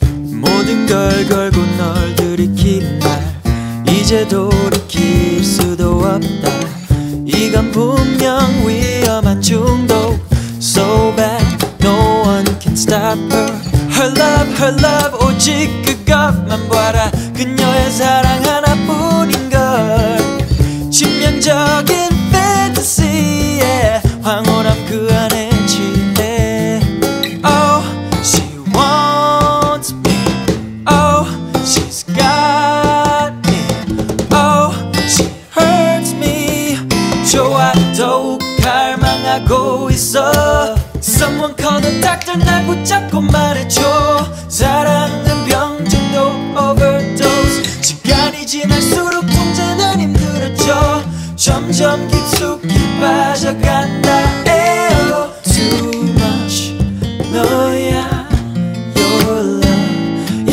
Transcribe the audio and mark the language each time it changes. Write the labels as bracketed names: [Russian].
[Korean] 모든 걸 걸고 널 들이킬 날 이제 돌이킬 수도 없다. 이건 분명 위험한 중독. [English] So bad no one can stop her. Her love [Korean] 오직 그것만 봐라. 그녀의 사랑 하나뿐인걸. 치명적인 fantasy에 황홀함 그 안에 침대. [English] Oh she wants me. Oh she's got me. Oh she hurts me. [Korean] 좋아 더욱 갈망하고 있어. [English] Someone call the doctor. [Korean] 날 붙잡고 말해줘. 사랑은 병 중독 overdose. 시간이 지날수록 통제는 힘들어져. 점점 깊숙이 빠져간다. [English] Ayo, too much [Korean] 너야 [English] your love.